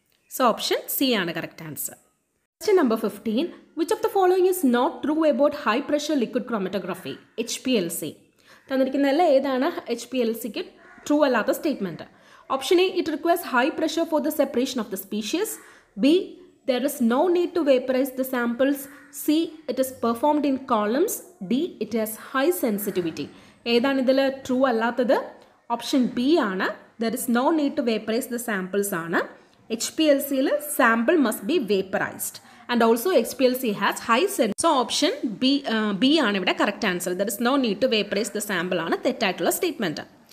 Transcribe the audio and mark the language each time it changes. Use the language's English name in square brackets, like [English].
[English] so [Malayalam] option C ആണ് correct answer. [English] Question number 15, which of the following is not true about high pressure liquid chromatography HPLC. [Malayalam] തന്നിരിക്കുന്നതിൽ ഏതാണ് HPLC true അല്ലാത്ത statement? [English] Option A it requires high pressure for the separation of the species, B There is no need to vaporize the samples. C, it is performed in columns. D, it has high sensitivity. [Malayalam] ഏതാണ് ഇതിൽ true അല്ലാത്തത്? Option B ആണ്. [English] There is no need to vaporize the samples ആണ്. HPLC യിൽ sample must be vaporized and also HPLC has high sense. [Malayalam] So option B ആണ് ഇവിടെ correct answer. [English] there is no need to vaporize the sample [Malayalam] ആണ് തെറ്റായിട്ടുള്ള statement.